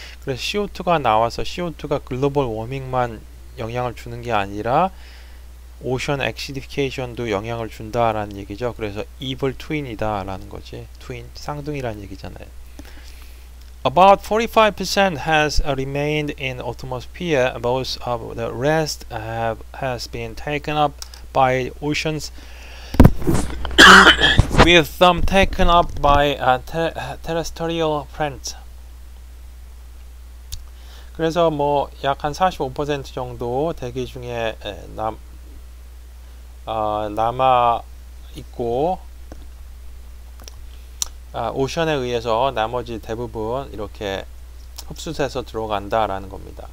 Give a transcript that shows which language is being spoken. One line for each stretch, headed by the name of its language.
Korean: 그래서 CO2가 나와서 CO2가 글로벌 워밍만 영향을 주는 게 아니라 오션 액시디피케이션도 영향을 준다라는 얘기죠. 그래서 이블 트윈이다라는 거지. 트윈, 쌍둥이라는 얘기잖아요.
English: About 45% has remained in atmosphere. Most of the rest has been taken up by oceans, with some taken up by terrestrial plants.
Korean: 그래서 뭐 약 한 45% 정도 대기 중에 남아 있고 오션에 의해서 나머지 대부분 이렇게 흡수돼서 들어간다라는 겁니다.